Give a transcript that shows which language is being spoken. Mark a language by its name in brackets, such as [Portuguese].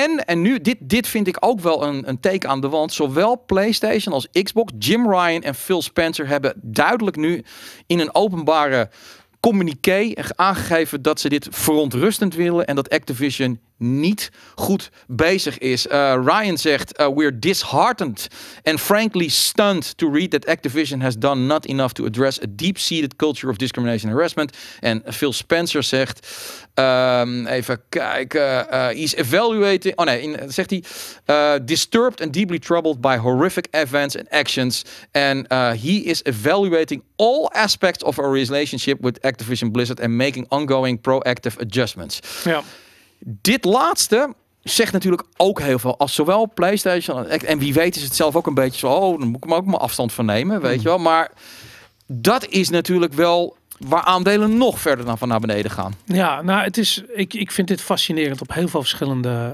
[Dutch] En nu, dit vind ik ook wel een teken aan de wand. Zowel PlayStation als Xbox, Jim Ryan en Phil Spencer hebben duidelijk nu in een openbare communiqué aangegeven dat ze dit verontrustend willen en dat Activision niet goed bezig is. Ryan zegt, [English] we're disheartened and frankly stunned to read that Activision has done not enough to address a deep-seated culture of discrimination and harassment. [Dutch] En Phil Spencer zegt, [English] he's evaluating, [Dutch] zegt hij, [English] disturbed and deeply troubled by horrific events and actions, and he is evaluating all aspects of our relationship with Activision Blizzard and making ongoing proactive adjustments. [Dutch] Ja. Dit laatste zegt natuurlijk ook heel veel. Als zowel PlayStation en wie weet is het zelf ook een beetje zo, oh, dan moet ik me ook mijn afstand van nemen, weet je wel. Maar dat is natuurlijk wel waar aandelen nog verder dan van naar beneden gaan. Ja, nou, het is, ik vind dit fascinerend op heel veel verschillende.